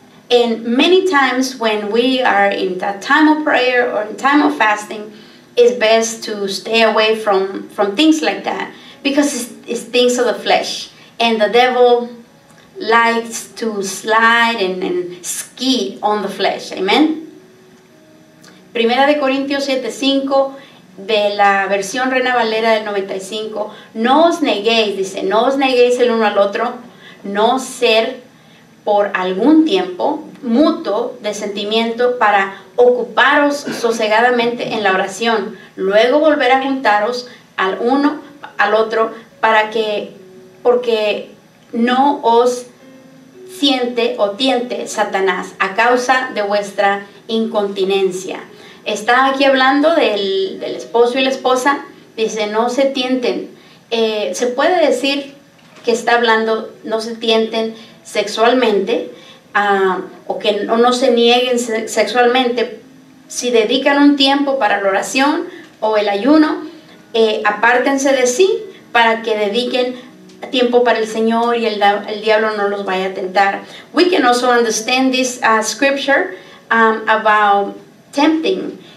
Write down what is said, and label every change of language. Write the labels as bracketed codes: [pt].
[en] And many times when we are in that time of prayer or in time of fasting, it's best to stay away from things like that because it's things of the flesh. And the devil likes to slide and ski on the flesh. Amen. [es] Primera de Corintios 7:5, de la versión Reina Valera del 95. No os neguéis, dice, no os neguéis el uno al otro, no ser por algún tiempo mutuo de sentimiento para ocuparos sosegadamente en la oración. Luego volver a juntaros al uno al otro para que, porque no os siente o tiente Satanás a causa de vuestra incontinencia. Está aquí hablando del esposo y la esposa. Dice, no se tienten. Se puede decir que está hablando, no se tienten sexualmente, o que no se nieguen sexualmente. Si dedican un tiempo para la oración o el ayuno, apártense de sí para que dediquen tiempo para el Señor y el diablo no los vaya a tentar. [en] We can also understand this scripture about tempting.